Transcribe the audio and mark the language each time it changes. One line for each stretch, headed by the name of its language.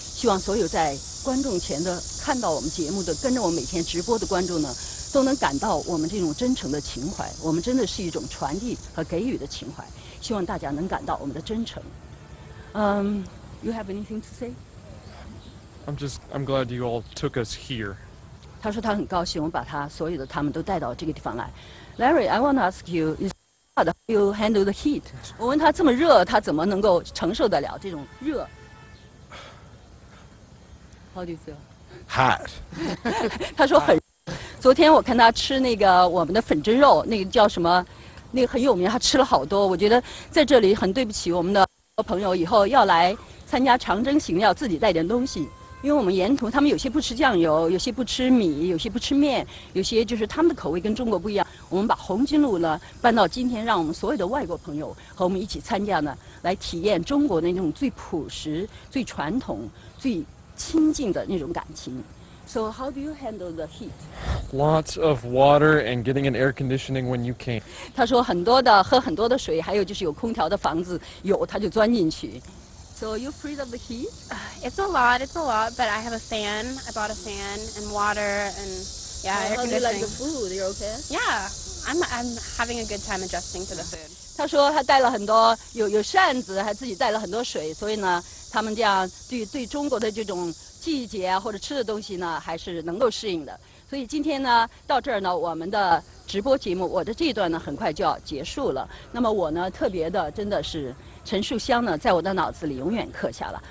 Chinese: 希望所有在观众前的看到我们节目的，跟着我每天直播的观众呢，都能感到我们这种真诚的情怀。我们真的是一种传递和给予的情怀。希望大家能感到我们的真诚。
English: You have anything to say? I'm glad you all took us here.
Chinese: 他说他很高兴，我把他所有的他们都带到这个地方来。
English: Larry, I want to ask you, is how do you handle the heat?
Chinese: 我问他这么热，他怎么能够承受得了这种热 ？
English: How do you feel? Hot.
Chinese: 他说很热。昨天我看他吃那个我们的粉蒸肉，那个叫什么？那个很有名，他吃了好多。我觉得在这里很对不起我们的朋友，以后要来参加长征行要自己带点东西，因为我们沿途他们有些不吃酱油，有些不吃米，有些不吃面，有些就是他们的口味跟中国不一样。我们把红金路呢搬到今天，让我们所有的外国朋友和我们一起参加呢，来体验中国的那种最朴实、最传统、最亲近的那种感情。
English: So how do you handle the heat? Lots of water and getting an air conditioning when you can.
Chinese: 他说很多的喝很多的水，还有就是有空调的房子有他就钻进去。
English: So you afraid of the heat? It's a lot, but I have a fan. I bought a fan and water and yeah, air conditioning. How do you like the food? You're okay? Yeah, I'm having a good time adjusting to the food.
Chinese: 他说他带了很多有扇子，还自己带了很多水，所以呢，他们这样对中国的这种。季节啊，或者吃的东西呢，还是能够适应的。所以今天呢，到这儿呢，我们的直播节目，我的这一段呢，很快就要结束了。那么我呢，特别的，真的是陈树湘呢，在我的脑子里永远刻下了。